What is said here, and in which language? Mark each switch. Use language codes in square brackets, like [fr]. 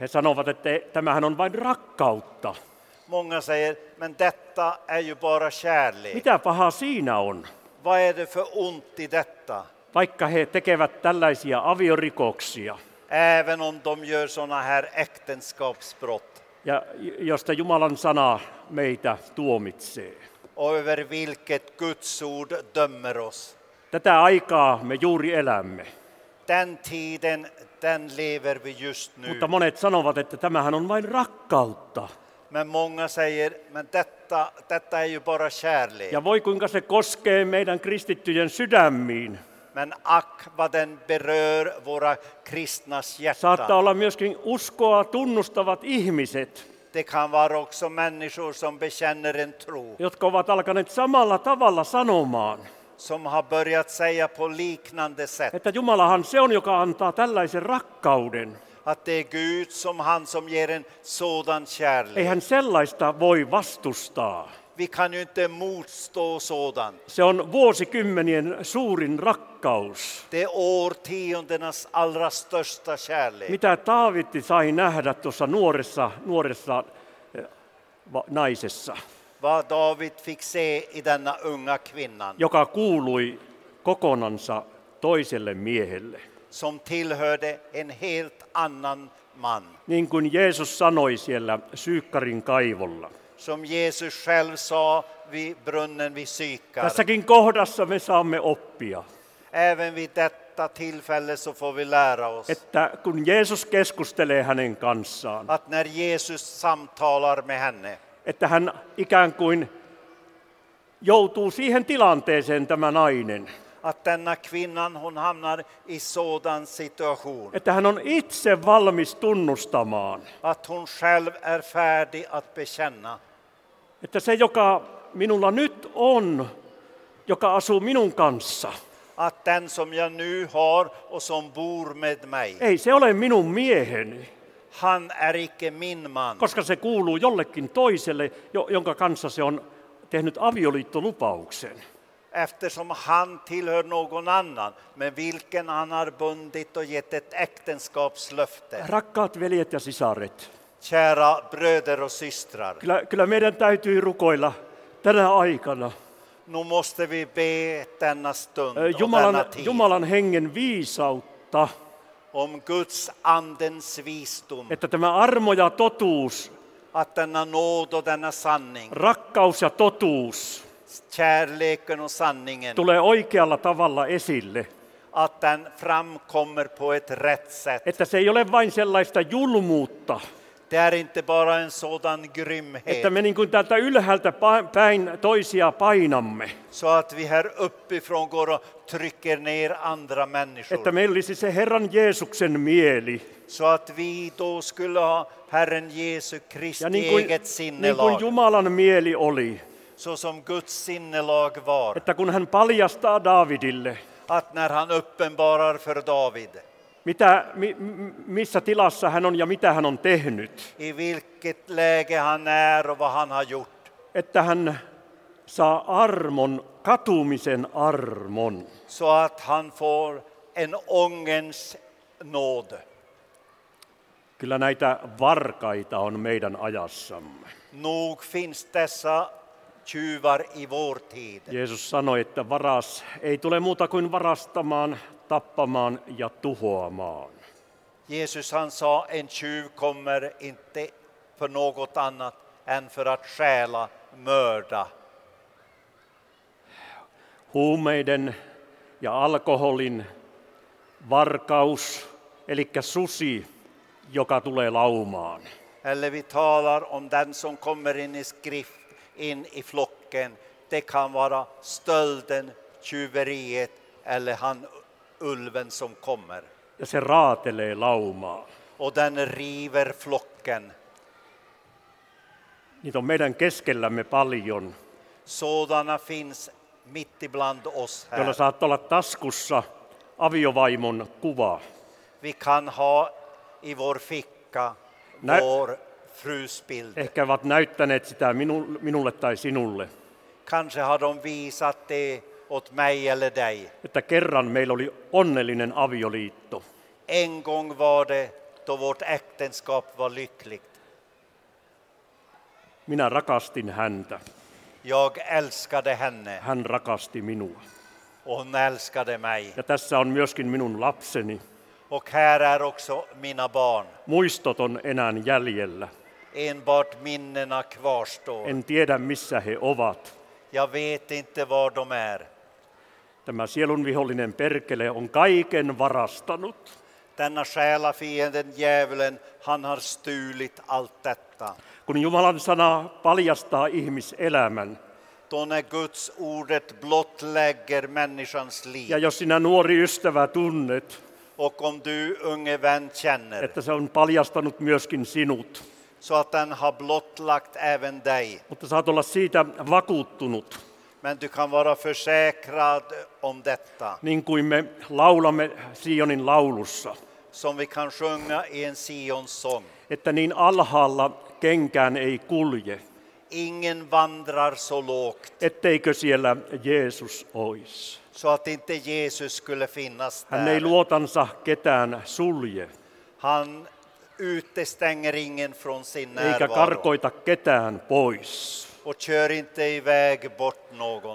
[fi] He sanovat, että tämähän on vain rakkautta. [sv] Många säger, men detta är ju bara kärlek. [fi] Mitä pahaa siinä on? [sv] Vad är det för ont i detta? [fi] Vaikka he tekevät tällaisia aviorikoksia. [sv] Även om de gör såna här äktenskapsbrott. [fi] Ja josta Jumalan sana meitä tuomitsee. [sv] Över vilket Guds ord dömer oss. [fi] Tätä aikaa me juuri elämme. [sv] Den tiden, den lever vi just nu. [fi] Mutta monet sanovat, että tämähän on vain rakkautta. [sv] Men många säger, men detta är ju bara kärlek. [fi] Ja voi kuinka se koskee meidän kristittyjen sydämiin. [sv] Men ack vad den berör våra kristnas hjärta. [fi] Saattaa olla myöskin uskoa tunnustavat ihmiset. [sv] Det kan vara också människor som bekänner en tro. [fi] Jotka ovat alkaneet samalla tavalla sanomaan. [sv] Som har börjat säga på liknande sätt. [fi] Että Jumalahan se on, joka antaa tällaisen rakkauden. [sv] Att det är Gud som han som ger en sådan kärlek. [fi] Eihän sellaista voi vastustaa. [sv] vi kan ju inte motstå sådant. [fi] Se on vuosikymmenien suurin rakkaus. [sv] Det är årtiondenas allra största kärlek. [fi] Mitä David sai nähdä tuossa nuoressa naisessa. [sv] Vad David fick se i denna unga kvinnan. [fi] Joka kuului kokonansa toiselle miehelle. [sv] Som tillhörde en helt annan man. [fi] Niin kuin Jeesus sanoi siellä syykkärin kaivolla. [sv] Som Jesus själv sa vid brunnen vid Sykar. [fi] Tässäkin kohdassa me saamme oppia. [sv] Även vid detta tillfälle så får vi lära oss. [fi] Että kun Jeesus keskustelee hänen kanssaan. [sv] Att när Jesus samtalar med henne. [fi] Että hän ikään kuin joutuu siihen tilanteeseen tämä nainen. [sv] Att denna kvinnan hon hamnar i sådan situation. [fi] Että hän on itse valmis tunnustamaan. [sv] Att hon själv är färdig att bekänna. [fi] Että se joka minulla nyt on, joka asuu minun kanssa. [sv] Att den som jag nu har och som bor med mig. [fi] Ei se ole minun mieheni. [sv] Han är icke min man. [fi] Koska se kuuluu jollekin toiselle, jonka kanssa se on tehnyt avioliittolupauksen. [sv] Eftersom han tillhör någon annan, men vilken han har bundit och gett ett äktenskapslöfte. [fi] Rakkaat veljet ja sisaret. [sv] Kära bröder och systrar. [fi] Kyllä meidän täytyy rukoilla tänä aikana. [sv] Nu måste vi be denna stund [fi] Jumalan, [sv] och denna tid. [fi] Jumalan hengen viisautta. [sv] Om Guds andens visdom. [fi] Että tämä armo ja totuus. [sv] Att denna nåd och denna sanning. [fi] Rakkaus ja totuus. [sv] Kärleken och sanningen. [fi] Tulee oikealla tavalla esille. [sv] Att den framkommer på ett rätt sätt. [fi] Että se ei ole vain sellaista julmuutta. [sv] Det är inte bara en sådan grymhet. [fi] Että me niin kuin täältä ylhäältä päin toisia painamme. [sv] Så att vi här uppifrån går och trycker ner andra människor. [fi] Että meillä olisi se Herran Jeesuksen mieli. [sv] Så att vi då skulle ha Herren Jesu Kristi [fi] ja niin kuin, [sv] eget sinnelag. [fi] Niin kuin Jumalan mieli oli. [sv] Så som Guds sinnelag var. [fi] Että kun hän paljastaa Davidille. [sv] Att när han uppenbarar för David. [fi] Mitä, missä tilassa hän on ja mitä hän on tehnyt. [sv] I vilket läge han är och vad han har gjort. [fi] Että hän saa armon, katumisen armon. [sv] Så att han får en ångens nåd. [fi] Kyllä näitä varkaita on meidän ajassamme. [sv] Nog finns dessa tjuvar i vår tid. [fi] Jeesus sanoi, että varas ei tule muuta kuin varastamaan, tappamaan ja tuhoamaan. [sv] Jeesus han sa, en tjuv kommer inte för något annat än för att stjäla, mörda. [fi] Huumeiden ja alkoholin varkaus, eli susi, joka tulee laumaan. [sv] Eller vi talar om den som kommer in i skrift, in i flocken. Det kan vara stölden, tjuveriet eller han ulven som kommer. [fi] Ja se raatelee laumaa. [sv] Och den river flocken. [fi] Niitä on meidän keskellämme paljon. [sv] Sådana finns mitt ibland oss här. [fi] Jolla saat olla taskussa aviovaimon kuva. [sv] Vi kan ha i vår ficka vår frus bild. [fi] Ehkä ovat näyttäneet sitä minulle tai sinulle. [sv] Kanske har de visat det åt mig eller dig. [fi] Että kerran meillä oli onnellinen avioliitto. [sv] En gång var det då vårt äktenskap var lyckligt. [fi] Minä rakastin häntä. [sv] Jag älskade henne. [fi] Hän rakasti minua. [sv] Hon älskade mig. [fi] Ja tässä on myöskin minun lapseni. [sv] Och här är också mina barn. [fi] Muistot on enää jäljellä. [sv] Enbart minnena kvarstår. [fi] En tiedä missä he ovat. [sv] Jag vet inte var de är. [fi] Tämä sielun vihollinen perkele on kaiken varastanut. [sv] Denna själafienden djävulen, han har stulit allt detta. [fi] Kun Jumalan sana paljastaa ihmiselämän. [sv] Då när Guds ordet blottlägger människans liv. [fi] Ja jos sinä nuori ystävä tunnet. [sv] Och om du unge vän känner. [fi] Että se on paljastanut myöskin sinut. [sv] Så att den har blottlagt även dig. [fi] Mutta saat olla siitä vakuuttunut. [sv] Men du kan vara försäkrad om detta. [fi] Niin kuin me laulamme Sionin laulussa. [sv] Som vi kan sjunga i en Sion sång. [fi] Että niin alhaalla kenkään ei kulje. [sv] ingen vandrar så lågt. [fi] Etteikö siellä Jeesus ois. [sv] Så att inte Jesus skulle finnas där. [fi] Hän ei luotansa ketään sulje. [sv] Han utestänger ingen från sin närvaro. [fi] Eikä karkoita ketään pois. [sv] Och kör inte iväg bort någon.